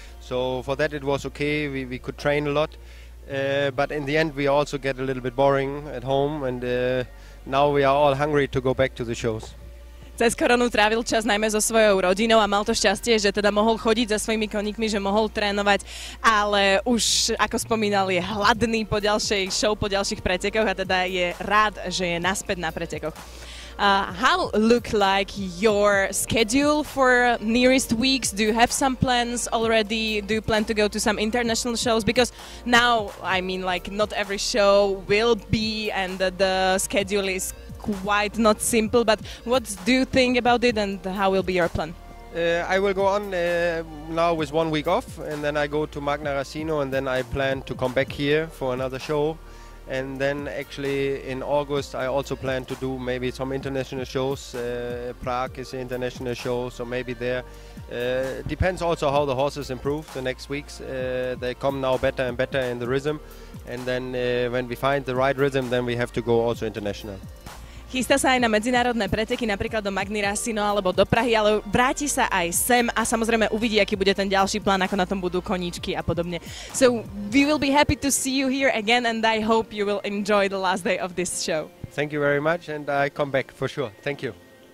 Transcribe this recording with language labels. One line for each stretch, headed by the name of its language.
English: So for that it was okay, we could train a lot. But in the end we also get a little bit boring at home and now we are all hungry to go back to the shows.
Slovak: Cez koronu trávil čas najmä so svojou rodinou a mal to šťastie, že teda mohol chodiť za svojimi koníkmi, že mohol trénovať, ale už, ako spomínal, je hladný po ďalšej show, po ďalších pretekoch a teda je rád, že je naspäť na pretekoch.
English: How look like your schedule for nearest weeks? Do you have some plans already? Do you plan to go to some international shows? Because now, I mean, like, not every show will be, and the schedule is quite not simple, but what do you think about it and how will be your plan? I will go on now with 1 week off, and then I go to Magna Racino, and then I plan to come back here for another show. And then actually in August I also plan to do maybe some international shows. Prague is an international show, so maybe there. Depends also how the horses improve the next weeks. They come now better and better in the rhythm. And then when we find the right rhythm, then we have to go also international.
Slovak: Chystá sa aj na medzinárodné preteky, napríklad do Magny Racino alebo do Prahy, ale vráti sa aj sem a samozrejme uvidí, aký bude ten ďalší plán, ako na tom budú koníčky a podobne.
English: So we will be happy to see you here again and I hope you will enjoy the last day of this show. Thank you very much and I come back for sure. Thank you.